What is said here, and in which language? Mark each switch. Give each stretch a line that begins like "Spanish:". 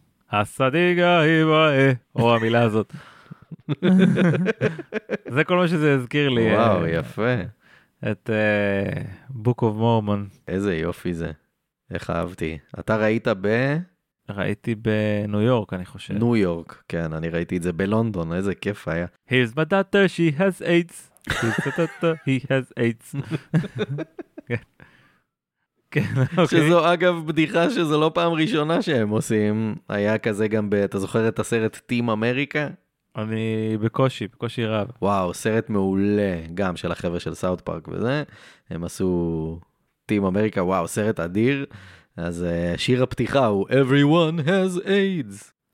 Hebrew: הסדיגה היא באה, או המילה הזאת. זה כל מה שזה הזכיר לי. וואו, יפה. את Book of Mormon. איזה יופי זה. איך אהבתי. אתה ראית ב... ראיתי בניו יורק, אני חושב. ניו יורק, כן. אני ראיתי את זה בלונדון. איזה כיף היה.
English: Here's my daughter, she has AIDS. She's my daughter, he has AIDS.
Hebrew: כן, אוקיי. שזו אגב בדיחה שזו לא פעם ראשונה שהם עושים. היה כזה גם ב... אתה זוכר את הסרט Team America? אני בקושי, בקושי רב. וואו, סרט מעולה, גם של החבר'ה של סאוט פארק וזה. הם עשו טים אמריקה, וואו, סרט אדיר. אז שיר הפתיחה הוא Everyone has AIDS.